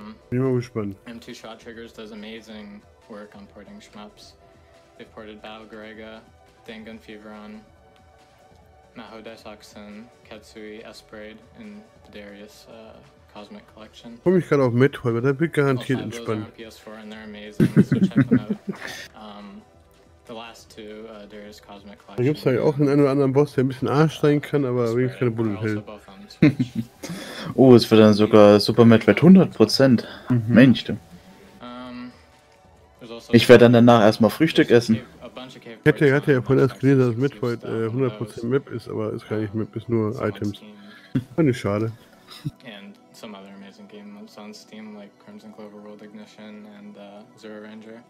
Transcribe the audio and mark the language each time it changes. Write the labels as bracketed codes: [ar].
[en] M2-Shot-Triggers does amazing work on porting shmups. They've ported Battle Grega, Dangun Feveron, Maho Desoxen, Katsui, Esperade in the Darius Cosmic Collection. [de] Ich freue mich gerade auf Metroid, weil der wird garantiert entspannt. [en] Also, those are on PS4 and they're amazing, so check them out. The last two, Darius Cosmic Collection. [de] Da gibt's halt auch einen oder anderen Boss, der ein bisschen Arsch sein kann, aber wirklich keine Bullen hält. Oh, es wird dann sogar Super Metroid 100%. Mensch, du. Ich werde dann danach erstmal Frühstück essen. Hätte ja vorhin erst gelesen, dass Metroid 100% Map ist, aber ist gar nicht Map, ist nur Items. Fand ich schade. [en] And some other amazing games on Steam, like Crimson Clover, World Ignition and Zero Ranger.